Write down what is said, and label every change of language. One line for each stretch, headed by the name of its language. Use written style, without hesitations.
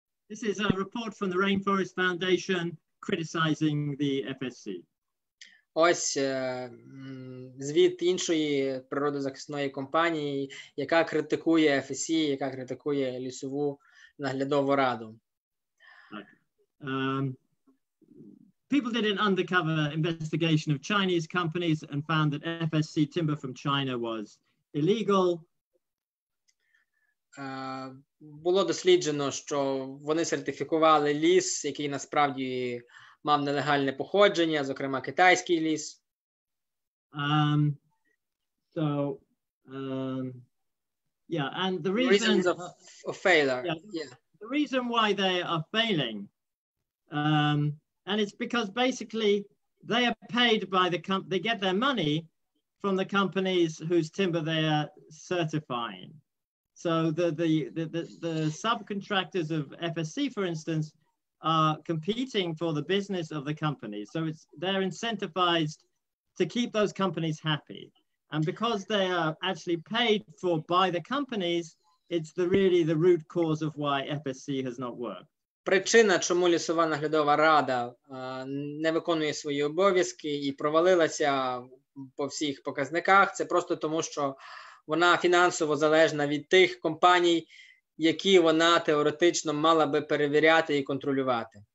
English: This is a report from the Rainforest Foundation criticizing the FSC.
Ukrainian: Ось звіт іншої природозахисної компанії, яка критикує FSC, яка критикує лісову наглядову раду.
English: People did an undercover investigation of Chinese companies and found that FSC timber from China was illegal.
Ukrainian: Було досліджено, що вони сертифікували ліс, який насправді мав нелегальне походження, зокрема китайський ліс.
English: And the reasons of failure. The reason why they are failing, and it's because basically they are paid by the company, they get their money from the companies whose timber they are certifying. So the subcontractors of FSC, for instance, are competing for the business of the company. So it's they're incentivized to keep those companies happy. And because they are actually paid for by the companies, it's the root cause of why FSC has not worked.
Ukrainian: Причина, чому лісова наглядова рада не виконує свої обов'язки і провалилася по всіх показниках, це просто тому, що вона фінансово залежна від тих компаній, які вона теоретично мала би перевіряти і контролювати.